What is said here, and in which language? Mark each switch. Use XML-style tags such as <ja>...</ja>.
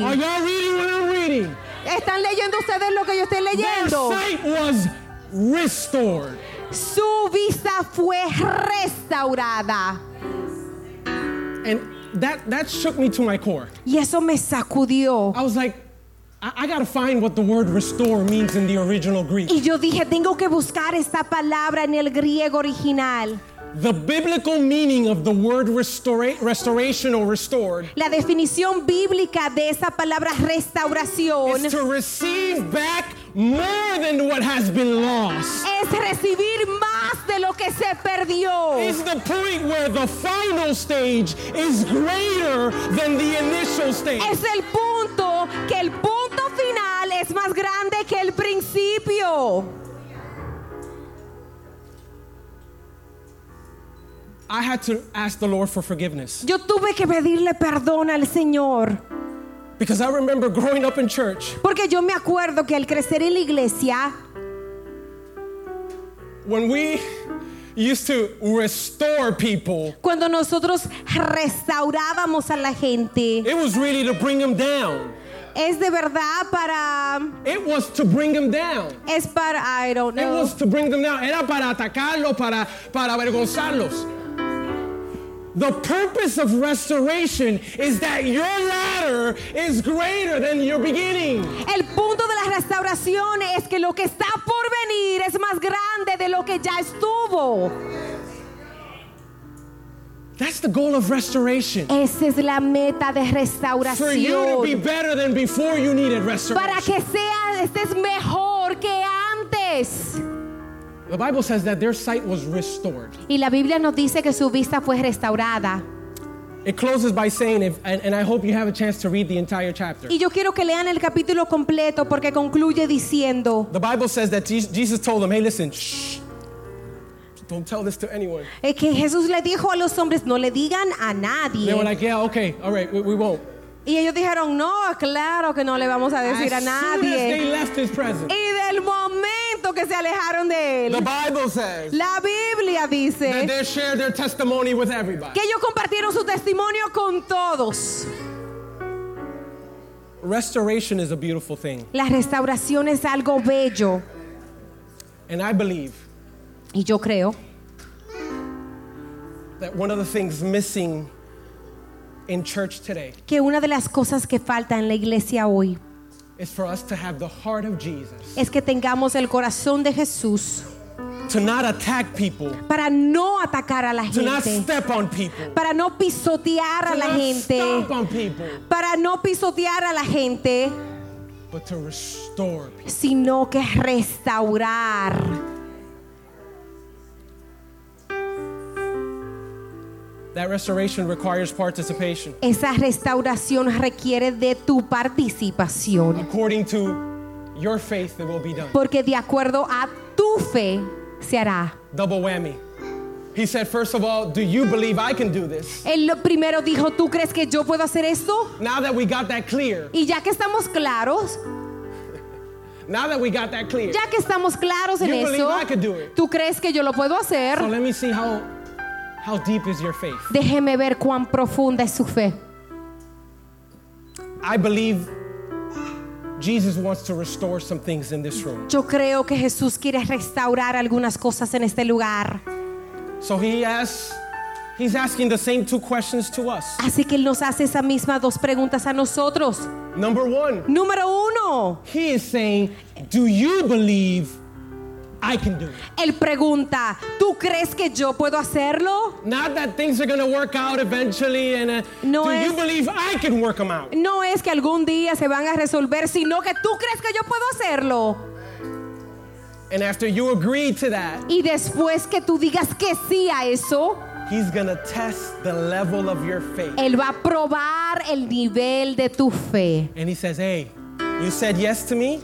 <en>Are y'all reading what I'm reading?</en> <es>¿Están leyendo ustedes lo que yo estoy leyendo?</es> <en>Their sight was restored.</en> <es>Su vista fue restaurada.</es> <en>And That shook me to my core.</en> <es>Y eso me sacudió.</es> <en>I was like, I gotta find what the word restore means in the original Greek.</en> <es>Y yo dije, tengo que buscar esta palabra en el griego original.</es> <en>The biblical meaning of the word restoration or restored.</en> <es>La definición bíblica de esa palabra restauración.</es> <en>Is to receive back more than what has been lost.</en> <es>Es recibir más de lo que se perdió.</es> <en>Is the point where the final stage is greater than the initial stage.</en> <es>Es el punto que el punto final es más grande que el principio.</es> <en>I had to ask the Lord for forgiveness.</en> <es>Yo tuve que pedirle perdón al Señor.</es> <en>Because I remember growing up in church.</en> <es>Porque yo me acuerdo que al crecer en la iglesia,</es> <en>when we used to restore people,</en> <es>cuando nosotros restaurábamos a la gente,</es> <en>it was really to bring them down.</en> <es>Es de verdad para.</es> <en>It was to bring them down.</en> <es>Es para,</es> <en>I don't know. It was to bring them down.</en> <es>Era para atacarlos, para avergonzarlos.</es> <en>The purpose of restoration is that your ladder is greater than your beginning.</en> <es>El punto de la restauración es que lo que está por venir es más grande de lo que ya estuvo.</es> <en>That's the goal of restoration.</en> <es>Esa es la meta de restauración.</es> <en>For you to be better than before you needed restoration.</en> <es>Para que estés mejor que antes.</es> <en>The Bible says that their sight was restored.</en> <es>Y la Biblia nos dice que su vista fue restaurada.</es> <en>It closes by saying, and I hope you have a chance to read the entire chapter.</en> <es>Y yo quiero que lean el capítulo completo porque concluye diciendo.</es> <en>The Bible says that Jesus told them, "Hey, listen, shh, don't tell this to anyone."</en> <es>Es que Jesús le dijo a los hombres, no le digan a nadie.</es> <en>They were like, "Yeah, okay, all right, we won't."</en> <es>Y ellos dijeron, no, claro que no le vamos a decir</es> <en>as</en> <es>a nadie.</es> <en>Soon as they left his presence.</en> <es>Y del momento que se alejaron de él.</es> <en>The Bible says.</en> <es>La Biblia dice.</es> <en>That they shared their testimony with everybody.</en> <es>Que ellos compartieron su testimonio con todos.</es> <en>Restoration is a beautiful thing.</en> <es>La restauración es algo bello.</es> <en>And I believe.</en> <es>Y yo creo.</es> <en>That one of the things missing in church today.</en> <es>Que una de las cosas que falta en la iglesia hoy.</es> <en>Is for us to have the heart of Jesus.</en> <es>Es que tengamos el corazón de Jesús.</es> <en>To not attack people.</en> <es>Para no atacar a la gente.</es> <en>To not step on people.</en> <es>Para no pisotear</es> <en>to</en> <es>a la</es> <en>not</en> <es>gente.</es> <en>Stomp on people.</en> <es>Para no pisotear a la gente.</es> <en>But to restore people.</en> <es>Sino que restaurar.</es> <en>That restoration requires participation.</en> <es>Esa restauración requiere de tu participación.</es> <en>According to your faith, it will be done.</en> <es>Porque de acuerdo a tu fe se hará.</es> <en>Double whammy. He said, first of all, do you believe I can do this?</en> <es>Él lo primero dijo, ¿tú crees que yo puedo hacer esto?</es> <en>Now that we got that clear.</en> <es>Y ya que estamos claros.</es> <en>Now that we got that clear.</en> <es>Ya que estamos claros en eso.</es> <en>You believe I can do it.</en> <es>¿Tú crees que yo lo puedo hacer?</es> <en>So let me see how deep is your faith.</en> <es>Déjeme ver cuán profunda es su fe.</es> <en>I believe Jesus wants to restore some things in this room.</en> <es>Yo creo que Jesús quiere restaurar algunas cosas en este lugar.</es> <en>So he's asking the same two questions to us.</en> <es>Así que él nos hace esa misma dos preguntas a nosotros.</es> <en>Number one.</en> <es>Número uno.</es> <en>He is saying, do you believe I can do it?</en> <es>Él pregunta, ¿tú crees que yo puedo hacerlo?</es> <en>Not that things are going to work out eventually and</en> <es>no</es> <en>do</en> <es>es,</es> <en>you believe I can work them out?</en> <es>No es que algún día se van a resolver, sino que ¿tú crees que yo puedo hacerlo?</es> <en>And after you agree to that,</en> <es>y después que tú digas que sí a eso,</es> <en>he's going to test the level of your faith.</en> <es>Él va a probar el nivel de tu fe.</es> <en>And he says, hey, you said yes to me.</en>